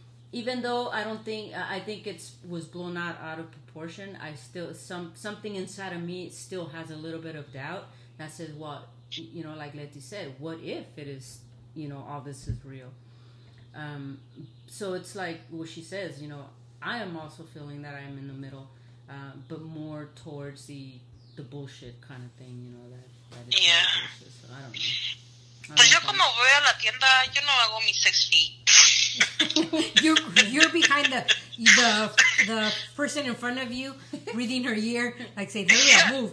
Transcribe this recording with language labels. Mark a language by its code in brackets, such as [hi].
[en] Even though I think it was blown out of proportion, I still something inside of me still has a little bit of doubt that says, well, you know, like Leti said, what if it is, you know, all this is real? So it's like what she says, you know, I am also feeling that I'm in the middle, but more towards the bullshit kind of thing, you know, that it's yeah. So I don't know. [es] voy a la tienda, yo no hago mis 6 feet. [en] you're behind the person in front of you reading her ear, like say, hey, yeah, move.